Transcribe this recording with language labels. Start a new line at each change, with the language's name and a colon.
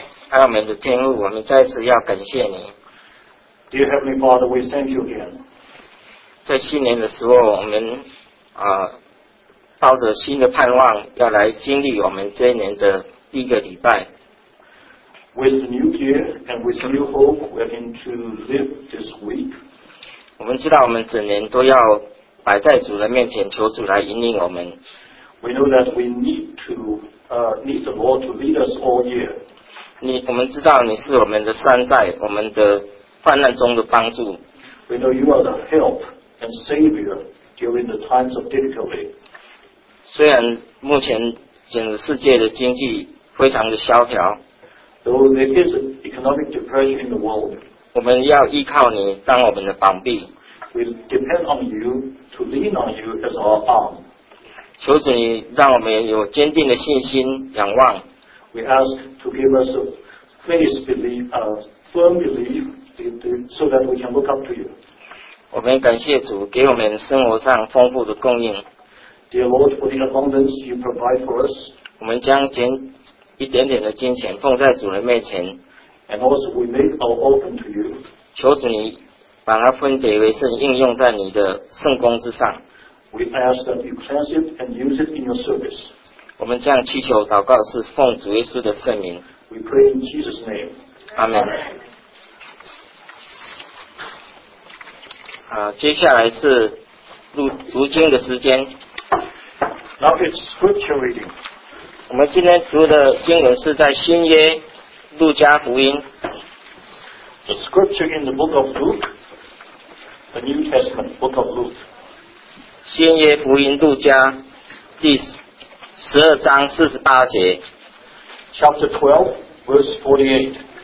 Chinese: 爱我们的天父，我们再次要感谢你。
English: Dear Heavenly Father, we thank you again.
Chinese: 在新年的时候，我们抱着新的盼望，要来经历我们这一年的第一个礼拜。
English: With the new year and with new hope, we're going to live this week.
Chinese: 我们知道，我们整年都要摆在主的面前，求主来引领我们。
English: We know that we need to need the Lord to lead us all year.
Chinese: 我们知道你是我们的山寨，我们的患难中的帮助。
English: We know you are the help and savior during the times of difficulty.
Chinese: 虽然目前整个世界的经济非常的萧条。
English: Though there is an economic depression in the world.
Chinese: 我们要依靠你当我们的膀臂。
English: We depend on you to lean on you as our arm.
Chinese: 求主你让我们有坚定的信心仰望。
English: We ask to give us a faith belief, a firm belief. So that we can look up to you.
Chinese: 我们感谢主给我们生活上丰富的供应。
English: Dear Lord, for the abundance you provide for us.
Chinese: 我们将捡一点点的金钱奉在主人面前。
English: And also we make our offering to you.
Chinese: 求主你把它分别为圣，应用在你的圣工之上。
English: We ask that you cleanse it and use it in your service.
Chinese: 我们这样祈求祷告是奉主耶稣的圣名。
English: We pray in Jesus' name. Amen.
Chinese: 接下来是读经的时间。
English: Now it's scripture reading.
Chinese: 我们今天读的经文是在新约路加福音。
English: The scripture in the book of Luke, the New Testament book of Luke.
Chinese: 新约福音路加第十二章四十八节。
English: Chapter 12, verse 48.